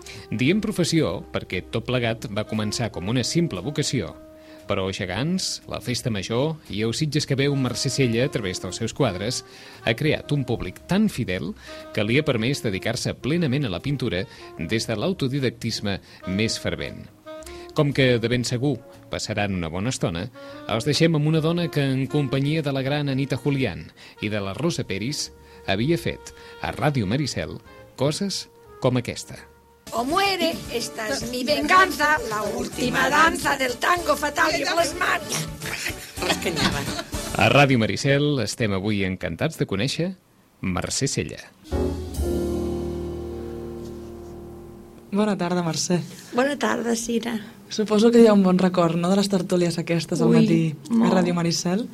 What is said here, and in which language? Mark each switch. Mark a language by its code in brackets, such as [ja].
[ca] Diem professió perquè tot plegat va començar com una simple vocació, però Gegants, la Festa Major i Eusitges que veu Mercè Sella a través dels seus quadres ha creat un públic tan fidel que li ha permès dedicar-se plenament a la pintura des de l'autodidactisme més fervent. Com que de ben segur passaran una bona estona, els deixem amb una dona que, en companyia de la gran Anita Julián i de la Rosa Peris, havia fet a Ràdio Maricel coses com aquesta. [es] O muere, esta es mi venganza, la última danza del tango fatal y los mares. [ca] A Ràdio Maricel estem avui encantats de conèixer Mercè Sella. Bona tarda, Mercè. Bona tarda, Cira. Suposo que hi ha un bon record, no?, de les tertúlies aquestes al matí a Ràdio Maricel.